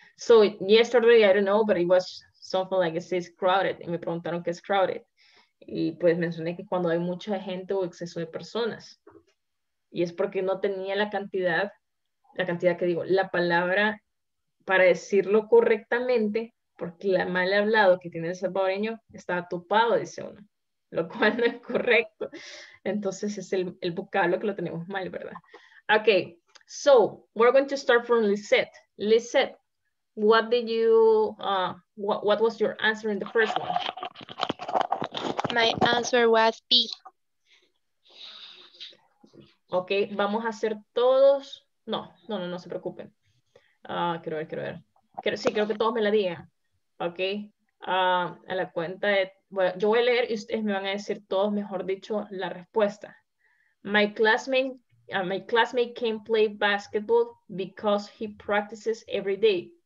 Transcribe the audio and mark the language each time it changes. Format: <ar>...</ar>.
<en>So, yesterday, I don't know, but it was something like it says crowded.</en> <es>Y me preguntaron qué es crowded. Y pues mencioné que cuando hay mucha gente o exceso de personas. Y es porque no tenía la palabra para decirlo correctamente, porque la mal hablado que tiene el salvadoreño estaba topado, dice uno, lo cual no es correcto. Entonces es el vocablo que lo tenemos mal, ¿verdad?</es> <en>Okay, so we're going to start from Lisette. Lisette, what did you, what was your answer in the first one? My answer was B.</en> <es>Okay, vamos a hacer todos, no se preocupen. Quiero ver. Sí, creo que todos me la digan. Ok. A la cuenta de... Bueno, yo voy a leer y ustedes me van a decir todos, mejor dicho, la respuesta.</es> <en>My classmate can't play basketball because he practices every day.</en>